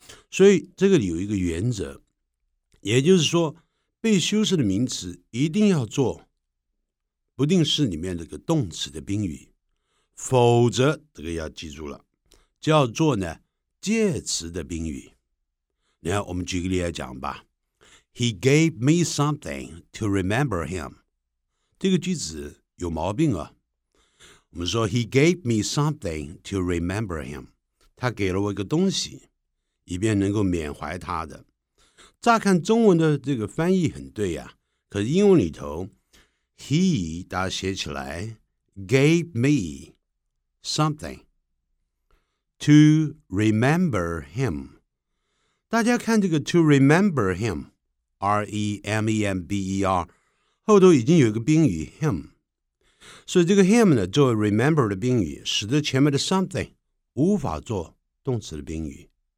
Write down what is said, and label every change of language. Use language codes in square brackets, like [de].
[zh] 所以这个有一个原则，也就是说被修饰的名词一定要做不定式里面这个动词的宾语，否则这个要记住了，叫做呢介词的宾语。你看，我们举个例来讲吧。 [en] He gave me something to remember him。 [zh] 这个句子有毛病啊。我们说 [en] He gave me something to remember him。 [zh] 他给了我一个东西，以便能够缅怀他的。乍看中文的这个翻译很对啊，可是英文里头 ，He 大家写起来 [en] gave me something。 To remember him， [zh] 大家看这个 [en] to remember him， [zh] R-E-M-E-M-B-E-R 后头已经有一个宾语 him， 所以这个 him 呢作为 remember 的宾语，使得前面的 something 无法做动词的宾语。